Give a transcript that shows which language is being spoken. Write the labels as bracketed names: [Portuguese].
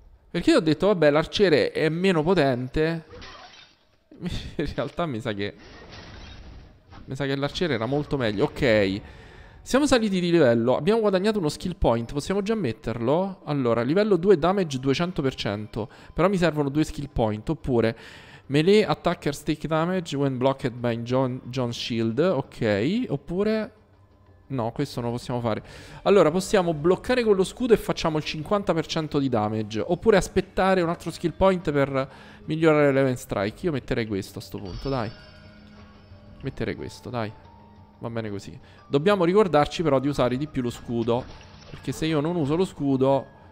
[Italian] Perché io ho detto, vabbè, l'arciere è meno potente. In realtà mi sa che l'arciere era molto meglio. Ok, siamo saliti di livello, abbiamo guadagnato uno skill point, possiamo già metterlo? Allora, livello 2 damage 200%, però mi servono due skill point, oppure... [English] Melee attackers take damage when blocked by John Shield. [Italian] Ok. Oppure. No, questo non lo possiamo fare. Allora, possiamo bloccare con lo scudo e facciamo il 50% di damage. Oppure aspettare un altro skill point per migliorare l'event strike. Io metterei questo a sto punto, dai. Metterei questo, dai. Va bene così. Dobbiamo ricordarci però di usare di più lo scudo. Perché se io non uso lo scudo.